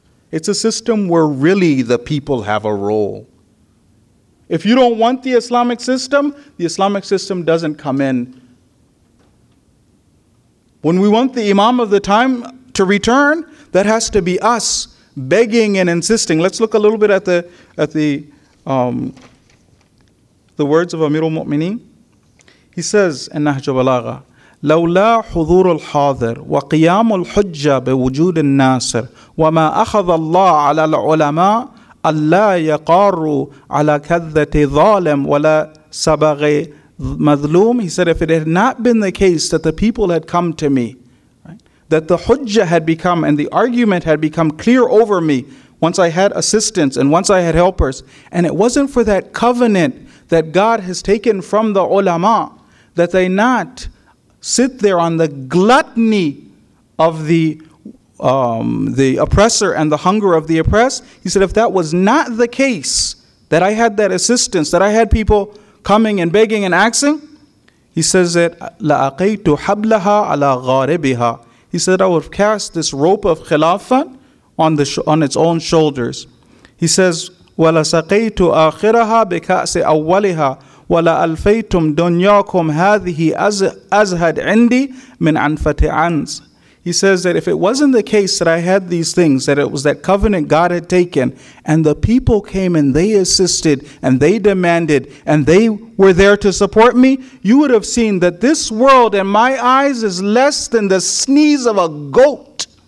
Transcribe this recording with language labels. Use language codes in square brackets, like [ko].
[en] It's a system where really the people have a role. If you don't want the Islamic system doesn't come in. When we want the Imam of the time to return, that has to be us begging and insisting. Let's look a little bit at the words of Amir al-Mu'mineen. He says in Nahj al-Balagha, [ar] لولا حضور الحاضر وقيام الحجة بوجود الناصر وما أخذ الله على العلماء ألا يقاروا على كذة ظالم ولا سبغ مظلوم. [en] He said, if it had not been the case that the people had come to me, that the hujjah had become and the argument had become clear over me once I had assistance and once I had helpers, and it wasn't for that covenant that God has taken from the ulama, that they not sit there on the gluttony of the oppressor and the hunger of the oppressed. He said, if that was not the case, that I had that assistance, that I had people coming and begging and asking, he says that [ar] لَأَقَيْتُ حَبْلَهَا عَلَىٰ غَارِبِهَا. [en] He said, I would cast this rope of khilafah on its own shoulders. He says, [ar] ولسقيت آخرها بكأس أولها ولا ألفيتم دنياكم هذه أزهد عندي من أنفة عنز. [en] He says that if it wasn't the case that I had these things, that it was that covenant God had taken, and the people came and they assisted and they demanded and they were there to support me, you would have seen that this world in my eyes is less than the sneeze of a goat.